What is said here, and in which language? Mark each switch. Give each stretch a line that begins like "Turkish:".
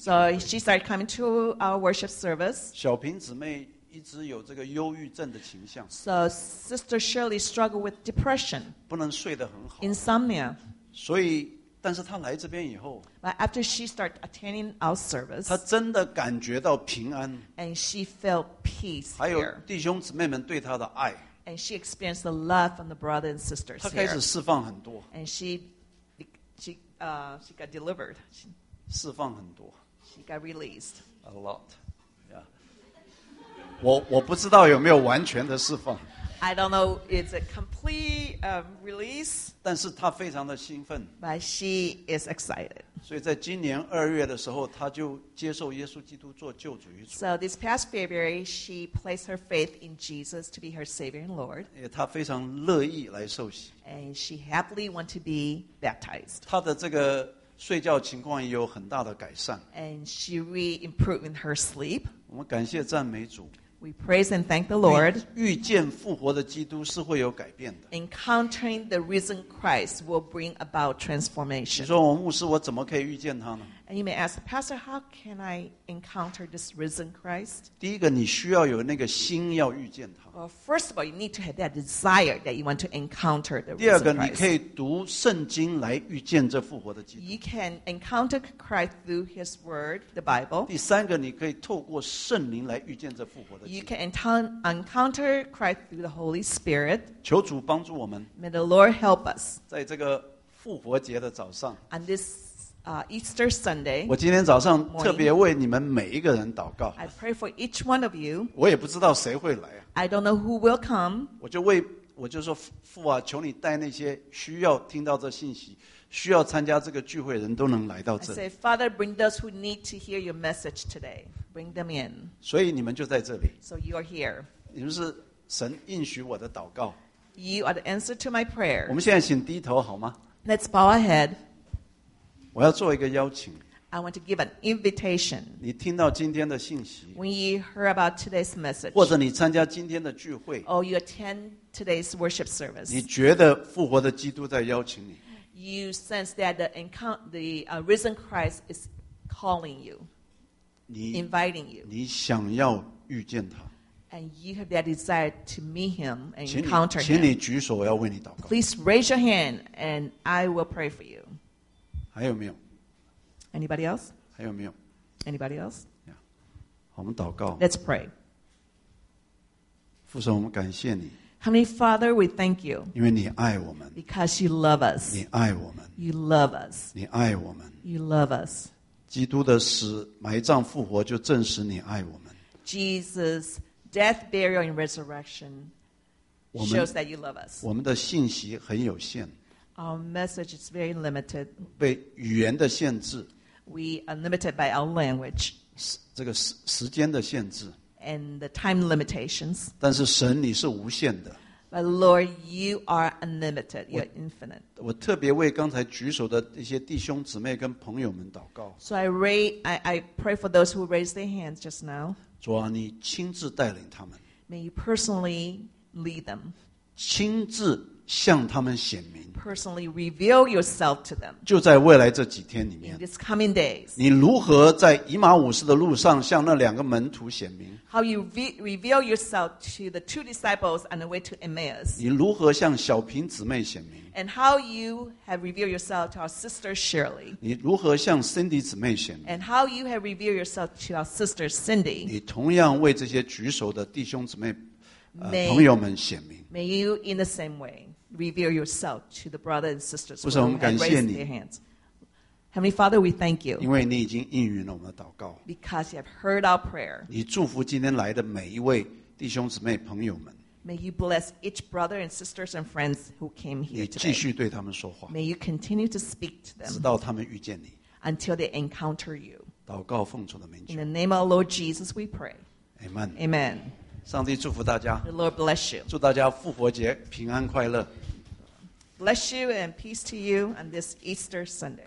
English: So she started coming to our worship service.
Chinese: 小平姊妹一直有这个忧郁症的倾向。
English: So Sister Shirley struggled with depression.
Chinese: 不能睡得很好。
English: Insomnia.
Chinese: 所以，但是她来这边以后。
English: But after she started attending our service.
Chinese: 她真的感觉到平安。
English: And she felt peace.
Chinese: 还有弟兄姊妹们对她的爱。
English: And she experienced the love from the brothers and sisters here.
Chinese: 她开始释放很多。
English: And she got delivered.
Chinese: 释放很多。
English: She got released. A lot. Yeah.
Chinese: 我不知道有没有完全的释放。
English: I don't know. It's a complete release.
Chinese: 但是她非常的兴奋。
English: But she is excited.
Chinese: 所以在今年二月的时候，她就接受耶稣基督做救主与主。
English: So this past February, she placed her faith in Jesus to be her Savior and Lord.
Chinese: 她非常乐意来受洗。
English: And she happily want to be baptized.
Chinese: 她的这个睡觉情况也有很大的改善。
English: And she really improved in her sleep.
Chinese: 我们感谢赞美主。
English: We praise and thank the Lord.
Chinese: 遇见复活的基督是会有改变的。
English: Encountering the risen Christ will bring about transformation.
Chinese: 你说我牧师我怎么可以遇见他呢？
English: And you may ask, Pastor, how can I encounter this risen Christ?
Chinese: 第一个你需要有那个心要遇见他。
English: Well, first of all, you need to have that desire that you want to encounter the risen Christ.
Chinese: 第二个你可以读圣经来遇见这复活的基督。
English: You can encounter Christ through his word, the Bible.
Chinese: 第三个你可以透过圣灵来遇见这复活的基督。
English: You can encounter Christ through the Holy Spirit.
Chinese: 求主帮助我们。
English: May the Lord help us.
Chinese: 在这个复活节的早上。
English: On this Easter Sunday.
Chinese: 我今天早上特别为你们每一个人祷告。
English: I pray for each one of you.
Chinese: 我也不知道谁会来。
English: I don't know who will come.
Chinese: 我就说父啊，求你带那些需要听到这信息，需要参加这个聚会的人都能来到这里。
English: I say, Father, bring those who need to hear your message today. Bring them in.
Chinese: 所以你们就在这里。
English: So you are here.
Chinese: 你们是神应许我的祷告。
English: You are the answer to my prayer.
Chinese: 我们现在请低头好吗？
English: Let's bow our head.
Chinese: 我要做一个邀请。
English: I want to give an invitation.
Chinese: 你听到今天的信息。
English: When you hear about today's message.
Chinese: 或者你参加今天的聚会。
English: Or you attend today's worship service.
Chinese: 你觉得复活的基督在邀请你。
English: You sense that the risen Christ is calling you, inviting you.
Chinese: 你想要遇见他。
English: And you have that desire to meet him and encounter him.
Chinese: 请你举手，我要为你祷告。
English: Please raise your hand, and I will pray for you.
Chinese: 还有没有？
English: Anybody else?
Chinese: 还有没有？
English: Anybody else?
Chinese: Yeah. 我们祷告。
English: Let's pray.
Chinese: 父神，我们感谢你。
English: Heavenly Father, we thank you.
Chinese: 因为你爱我们。
English: Because you love us.
Chinese: 你爱我们。
English: You love us.
Chinese: 你爱我们。
English: You love us.
Chinese: 基督的死、埋葬、复活，就证实你爱我们。
English: Jesus' death, burial, and resurrection shows that you love us.
Chinese: 我们的信息很有限。
English: Our message is very limited.
Chinese: 被语言的限制。
English: We are limited by our language.
Chinese: 这个时间的限制。
English: And the time limitations.
Chinese: 但是神你是无限的。
English: But Lord, you are unlimited. You are infinite.
Chinese: 我特别为刚才举手的一些弟兄姊妹跟朋友们祷告。
English: So I pray for those who raised their hands just now.
Chinese: 主啊，你亲自带领他们。
English: May you personally lead them.
Chinese: 亲自向他们显明。
English: Personally reveal yourself to them.
Chinese: 就在未来这几天里面。
English: In these coming days.
Chinese: 你如何在以马忤的路上向那两个门徒显明？
English: How you reveal yourself to the two disciples on the way to Emmaus.
Chinese: 你如何向小平姊妹显明？
English: And how you have revealed yourself to our sister Shirley.
Chinese: 你如何向 Cindy 姊妹显明？
English: And how you have revealed yourself to our sister Cindy.
Chinese: 你同样为这些举手的弟兄姊妹、朋友们显明。
English: May you in the same way reveal yourself to the brothers and sisters who have raised their hands. Heavenly Father, we thank you.
Chinese: 因为你已经应允了我们的祷告。
English: Because you have heard our prayer.
Chinese: 你祝福今天来的每一位弟兄姊妹朋友们。
English: May you bless each brother and sisters and friends who came here today.
Chinese: 你继续对他们说话。
English: May you continue to speak to them.
Chinese: 直到他们遇见你。
English: Until they encounter you.
Chinese: 祷告奉主的名求。
English: In the name of our Lord Jesus, we pray. Amen. Amen.
Chinese: 上帝祝福大家。
English: The Lord bless you.
Chinese: 祝大家复活节平安快乐。
English: Bless you and peace to you on this Easter Sunday.